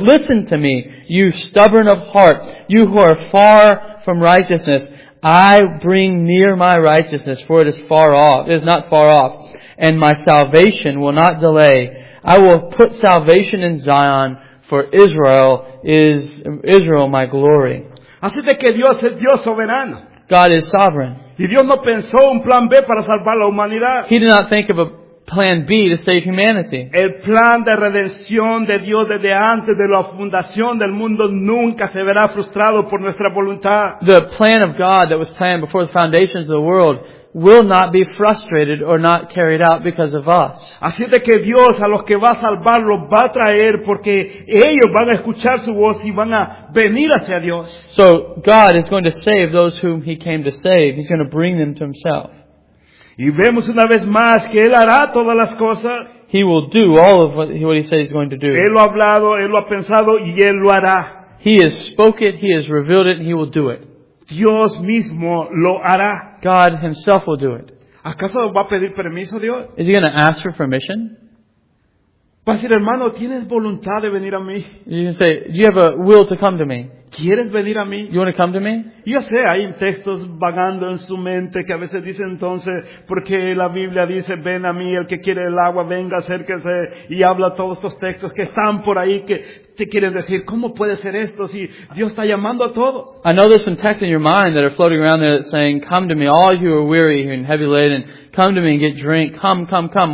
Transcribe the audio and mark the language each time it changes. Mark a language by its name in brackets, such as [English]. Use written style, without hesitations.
[English] Listen to me, you stubborn of heart, you who are far from righteousness. I bring near my righteousness, for it is far off. It is not far off, and my salvation will not delay. I will put salvation in Zion. For Israel is Israel, my glory. [Spanish] Así de que Dios es Dios soberano. [English] God is sovereign. [Spanish] Y Dios no pensó un plan B para salvar la humanidad. [English] He did not think of a plan B to save humanity. [Spanish] El plan de redención de Dios desde antes de la fundación del mundo nunca se verá frustrado por nuestra voluntad. [English] The plan of God that was planned before the foundations of the world will not be frustrated or not carried out because of us. [Spanish] Así de que Dios a los que va a salvar los va a traer porque ellos van a escuchar su voz y van a venir hacia Dios. [English] So God is going to save those whom He came to save. He's going to bring them to Himself. [Spanish] Y vemos una vez más que Él hará todas las cosas. [English] He will do all of what He says He's going to do. [Spanish] Él lo ha hablado, Él lo ha pensado y Él lo hará. [English] He has spoken, He has revealed it, and He will do it. [Spanish] Dios mismo lo hará. [English] God Himself will do it. [Spanish] ¿Acaso va a pedir permiso, Dios? [English] Is He going to ask for permission? [Spanish] Va a decir, hermano, ¿tienes voluntad de venir a mí? [English] You can say, do you have a will to come to me? [Spanish] ¿Quieres venir a mí? [English] You want to come to me? [Spanish] Yo sé, hay textos vagando en su mente que a veces dice entonces, porque la Biblia dice, ven a mí, el que quiere el agua, venga, acérquese, y habla todos estos textos que están por ahí que te quieren decir, ¿cómo puede ser esto si Dios está llamando a todos? [English] I know there's some texts in your mind that are floating around there that's saying, come to me, all you are weary and heavy laden, come to me and get drink, come, come, come.